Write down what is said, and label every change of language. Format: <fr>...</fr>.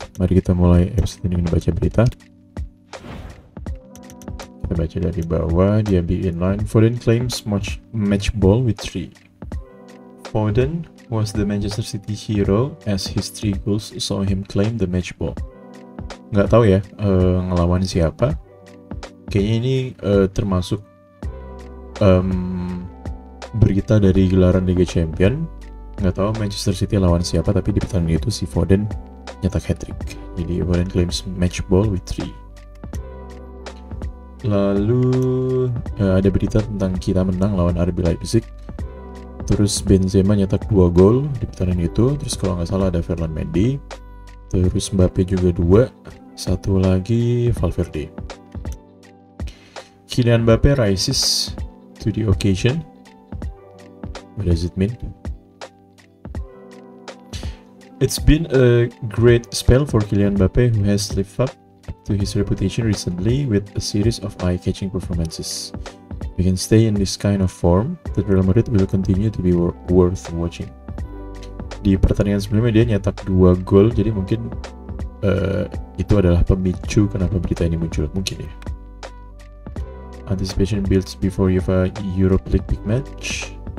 <id>Mari kita mulai episode ini dengan baca berita. Kita baca dari bawah, dia be in line.</id> <en>Foden claims match ball with 3. Foden was the Manchester City hero as his 3 goals saw him claim the match ball.</en> <id>Nggak tahu ya, ngelawan siapa. Kayaknya ini termasuk berita dari gelaran Liga Champion. Nggak tahu Manchester City lawan siapa, tapi di pertandingan itu si Foden nyetak hat-trick.</id> <en>Jadi Foden claims match ball with 3.</en> <id>Lalu ada berita tentang kita menang lawan RB Leipzig. Terus Benzema nyetak 2 gol di pertandingan itu. Terus kalau nggak salah ada Ferland Mendy. Terus Mbappe juga 2. Satu lagi Valverde.</id> <en>Kylian Mbappe rises to the occasion. What does it mean? It's been a great spell for Kylian Mbappe, who has lived up to his reputation recently with a series of eye-catching performances. If he can stay in this kind of form, the Real Madrid will continue to be worth watching.</en> <id>Di pertandingan sebelumnya dia nyetak 2 gol, jadi mungkin itu adalah pemicu kenapa berita ini muncul, mungkin ya.</id> <en>Anticipation builds before UEFA Europa League big match.</en>